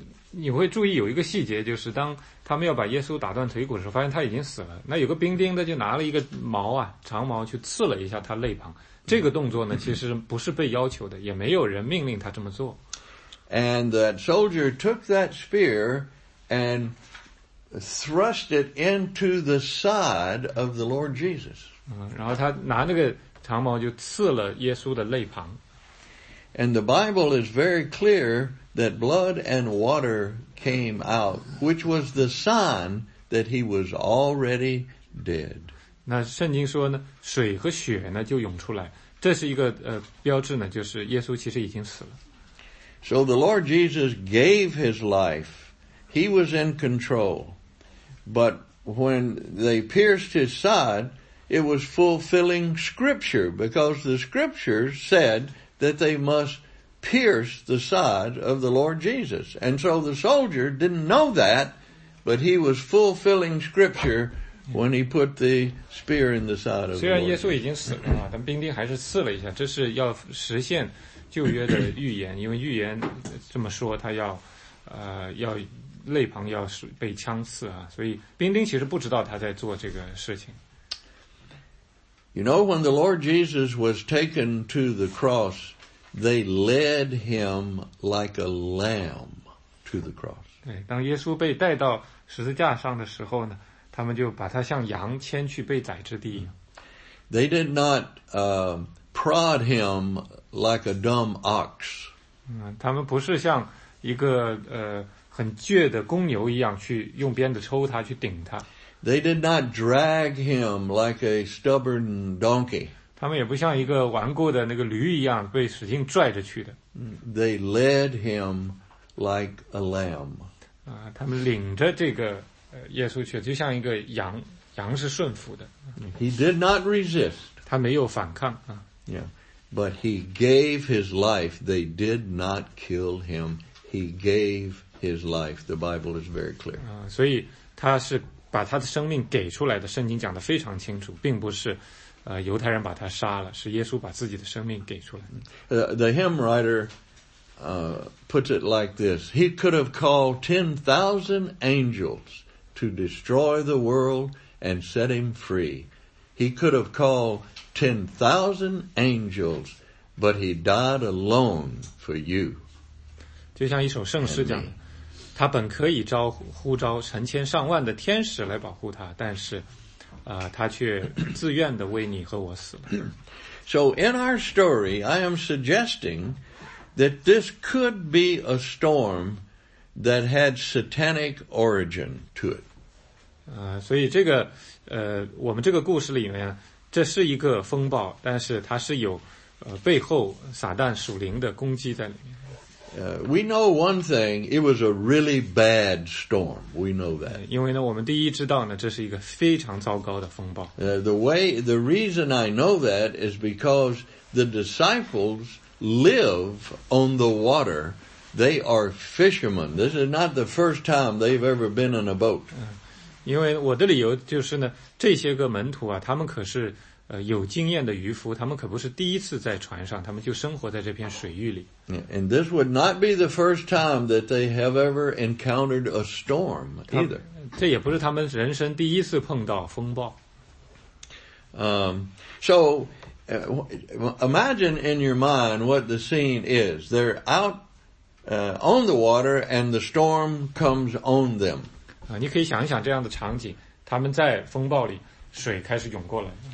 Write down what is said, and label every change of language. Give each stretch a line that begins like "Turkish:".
Chinese: 你会注意有一个细节，就是当他们要把耶稣打断腿骨的时候，发现他已经死了。那有个兵丁的就拿了一个矛啊，长矛去刺了一下他肋旁。这个动作呢，其实不是被要求的，也没有人命令他这么做。
English: And that soldier took that spear and thrust it into the side of the Lord Jesus.
Chinese: 然后他拿那个长矛就刺了耶稣的肋旁。
English: And the Bible is very clear that blood and water came out, which was the sign that he was already dead.
Chinese: 那圣经说呢，水和血呢就涌出来，这是一个标志呢，就是耶稣其实已经死了。
English: So the Lord Jesus gave his life. He was in control. But when they pierced his side, it was fulfilling scripture because the scripture said that they must pierce the side of the Lord Jesus. And so the soldier didn't know that, but he was fulfilling scripture when he put the spear in the side of the Lord.
Chinese: 虽然耶稣已经死了，但兵丁还是刺了一下，这是要实现旧约的预言，因为预言这么说，他要要肋旁要被枪刺啊，所以兵丁其实不知道他在做这个事情。
English: You know, when the Lord Jesus was taken to the cross, they led him like a lamb to the cross.
Chinese: 对，当耶稣被带到十字架上的时候呢，他们就把他像羊牵去被宰之地。
English: They did not prod him like a dumb ox.
Chinese: 他们不是像一个很倔的公牛一样去用鞭子抽他，去顶他。
English: They did not drag him like a stubborn donkey.
Chinese: 他们也不像一个顽固的那个驴一样被使劲拽着去的。
English: They led him like a lamb.
Chinese: 他们领着这个耶稣去，就像一个羊，羊是顺服的。
English: He did not resist.
Chinese: 他没有反抗啊。
English: Yeah, but he gave his life. They did not kill him. He gave his life. The Bible is very clear.
Chinese: 所以他是把他的生命给出来的，圣经讲得非常清楚，并不是犹太人把他杀了，是耶稣把自己的生命给出来。
English: The hymn writer puts it like this. He could have called 10,000 angels to destroy the world and set him free. He could have called 10,000 angels, but he died alone for you.
Chinese: 就像一首圣诗讲的，他本可以呼召成千上万的天使来保护他，但是他却自愿的为你和我死了。
English: So in our story, I am suggesting that this could be a storm that had satanic origin to it.
Chinese: 所以这个我们这个故事里面，这是一个风暴，但是它是有背后撒旦属灵的攻击在里面。
English: We know one thing, it was a really bad storm. We know that.
Chinese: 因为呢，我们第一知道呢，这是一个非常糟糕的风暴。
English: The reason I know that is because the disciples live on the water. They are fishermen. This is not the first time they've ever been in a boat.
Chinese: 因为我的理由就是呢，这些个门徒啊，他们可是有经验的渔夫，他们可不是第一次在船上，他们就生活在这片水域里。
English: And this would not be the first time that they have ever encountered a storm either.
Chinese: 这也不是他们人生第一次碰到风暴。
English: So, imagine in your mind what the scene is. They're out on the water and the storm comes on them.
Chinese: 你可以想一想这样的场景，他们在风暴里，水开始涌过来。